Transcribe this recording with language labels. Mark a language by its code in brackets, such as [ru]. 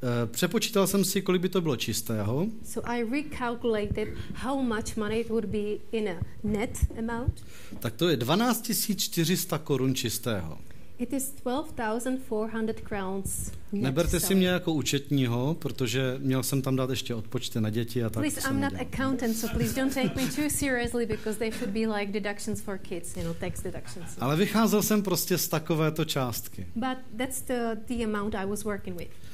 [cs] Přepočítal jsem si, kolik by to bylo čistého. [en] So I recalculated how much money it would be in a net amount. [cs] Tak to je 12 400 korun čistého. [en] It is 12,400 crowns. [cs] Neberte si mě jako účetního, protože měl jsem tam dát ještě odpočty na děti a tak. [en] Please, I'm not accountant, so please don't take me too seriously because they should be like deductions for kids, you know, tax deductions. [cs] Ale vycházel jsem prostě z takovéto částky. [en] But that's the amount I was working with.